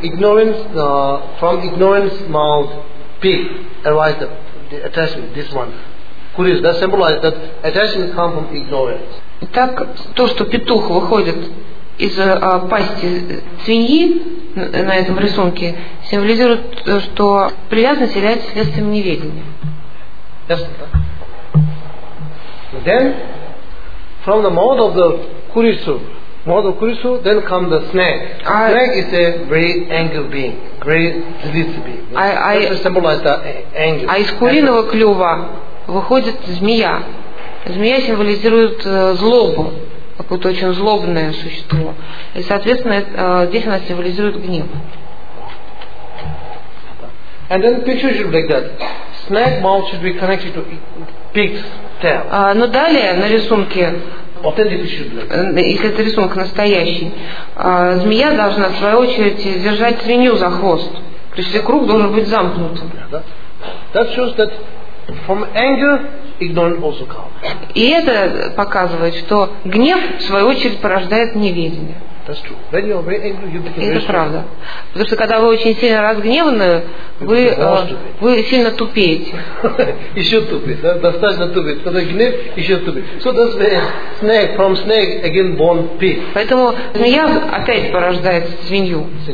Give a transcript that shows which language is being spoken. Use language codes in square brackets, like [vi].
[en] Ignorance, from ignorance mouth, pig, arise the attachment, this one. Kuris, that symbolizes that attachment comes from ignorance. [ru] Итак, то, что петух выходит из пасти свиньи на этом рисунке, символизирует то, что привязанность является следствием неведения. Ясно, да? [en] Then, from the mouth of the Kurisu, then come the snake. Snake is a very angry being, very delicious being. I symbolize the anger. [ru] А из куриного клюва выходит змея. Змея символизирует злобу, какое-то очень злобное существо. И, соответственно, здесь она символизирует гнев. [en] And then picture should be like that. Snake mouth should be connected to pig's tail. [ru] Но далее на рисунке. [en] Authentic. [ru] Если это рисунок настоящий, змея должна, в свою очередь, держать свинью за хвост. То есть круг должен быть замкнутым. [en] That shows that from anger, ignorance also comes. [ru] И это показывает, что гнев, в свою очередь, порождает неведение. [en] That's true. When you are very angry, you become [ru] это правда. Потому что когда вы очень сильно разгневаны, вы сильно тупеете. Еще тупее, да? Достаточно тупеет. Когда гнев, еще тупеет. So that's the snake, from snake again born pig. Поэтому змея опять порождает свинью.